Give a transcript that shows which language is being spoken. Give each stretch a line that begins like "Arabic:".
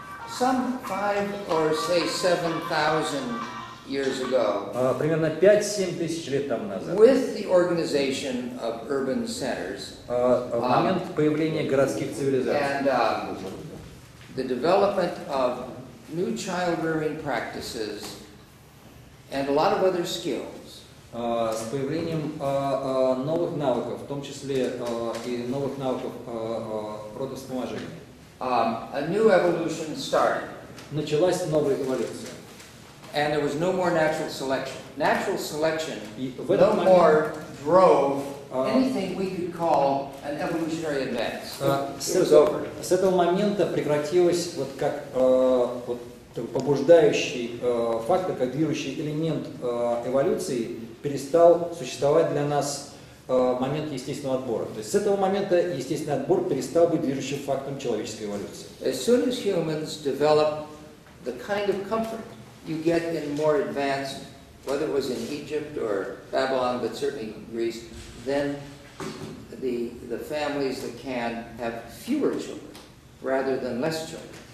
English: Some 5 or 7,000 years ago.
Russian: Примерно 5-7 тысяч лет тому назад.
English: With the organization of urban centers.
Russian: В момент появления городских цивилизаций.
English: And the development of new child-rearing practices and a lot of other skills.
Russian: с появлением новых навыков, в том числе и новых навыков протовспоможения.
English: A new evolution started.
Russian: Началась новая эволюция.
English: And there was no more natural selection. Natural selection no more drove anything we could call an evolutionary advance.
Russian: С этого момента прекратилось вот как вот побуждающий фактор, как движущий элемент эволюции, перестал существовать для нас момент естественного отбора. То есть с этого момента естественный отбор перестал быть движущим фактором человеческой эволюции.
English: As soon as humans develop the kind of comfort you get in more advanced, whether it was in Egypt or Babylon, but certainly Greece, then the families that can have fewer children rather than less children.